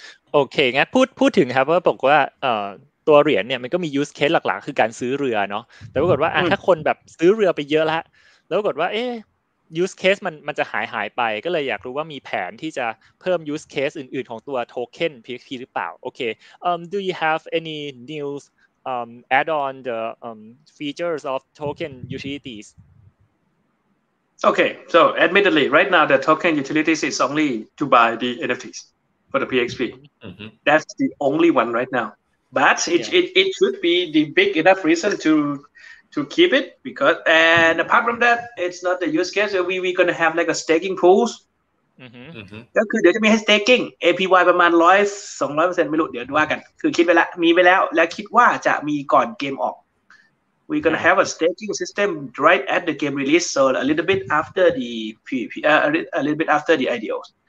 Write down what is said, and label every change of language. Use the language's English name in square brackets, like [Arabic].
[Thai] โอเคงั้นพูดถึงครับว่าบอกว่าตัวเหรียญเนี่ยมันก็มียูสเคสหลักๆคือการซื้อเรือเนาะแต่ปรากฏว่าถ้าคนแบบซื้อเรือไปเยอะแล้วปรากฏว่าเอ๊ยูสเคสมันจะหายไปก็เลยอยากรู้ว่ามีแผนที่จะเพิ่มยูสเคสอื่นๆของตัวโทเค็น PXP หรือเปล่าโอเค [English] do you have any news add on the features of token utilities Okay, so admittedly, right now the token utilities is only to buy the NFTs for the PXP. That's the only one right now. But it should be the big enough reason to keep it. Because, and apart from that, it's not the use case. We're going to have like a staking pools. [Thai] ก็คือเดี๋ยวจะมีให้ staking APY ประมาณ 100-200% ไม่รู้เดี๋ยวดูว่ากันคือคิดไปแล้วมีไปแล้วและคิดว่าจะมีก่อนเกมออก [English] We're gonna have a staking system right at the game release, so a little bit after the PP, a little bit after the IDOs.